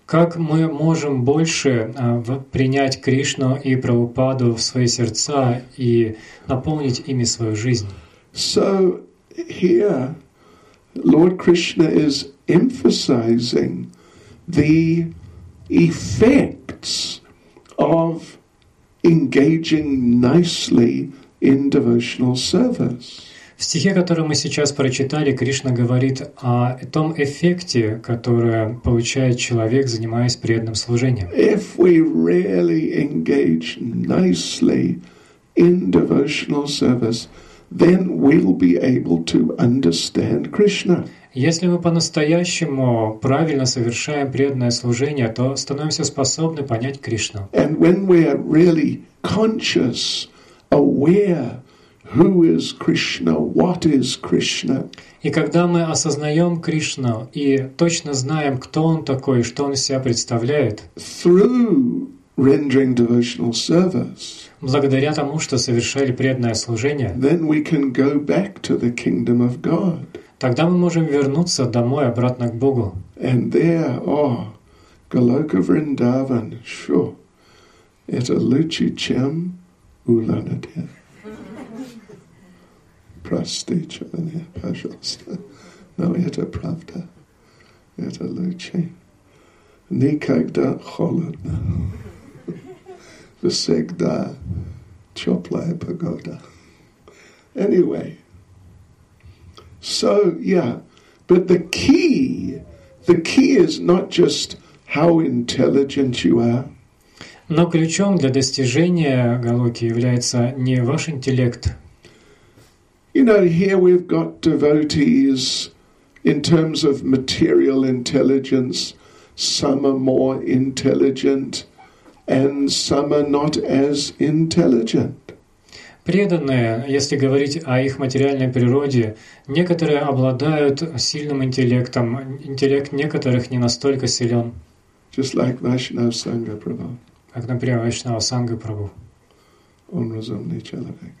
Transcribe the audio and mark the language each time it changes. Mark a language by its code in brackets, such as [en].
[ru] Как мы можем больше принять Кришну и Прабхупаду в свои сердца и наполнить ими свою жизнь? [en] So here Lord Krishna is emphasizing the effects of engaging nicely in devotional service. [ru] В стихе, который мы сейчас прочитали, Кришна говорит о том эффекте, который получает человек, занимаясь преданным служением. [en] If we really engage nicely in devotional service, then we'll be able to understand Krishna. [ru] Если мы по-настоящему правильно совершаем преданное служение, то становимся способны понять Кришну. [en] And when we are really conscious, aware, who is Krishna, what is Krishna? [ru] И когда мы осознаем Кришну и точно знаем, кто Он такой, что Он из себя представляет, [en] through rendering devotional service, [ru] благодаря тому, что совершали преданное служение, [en] then we can go back to the kingdom of God. [ru] Тогда мы можем вернуться домой, обратно к Богу. [en] And there, oh, Goloka Vrindavan, sure, [ru] это лучше, чем Уланаде. Простите меня, пожалуйста. Но это правда. Это лучше. Никогда холодно. Всегда теплая погода. [en] Anyway. So, yeah. But the key is not just how intelligent you are. [ru] Но ключом для достижения Галоки является не ваш интеллект. [en] You know, here we've got devotees in terms of material intelligence. Some are more intelligent and some are not as intelligent. [ru] Преданные, если говорить о их материальной природе, некоторые обладают сильным интеллектом, интеллект некоторых не настолько силен. [en] Just like Vaishnava Sangha Prabhu. [ru] Как, например, Вайшнава Сангха Прабху. Он разумный человек.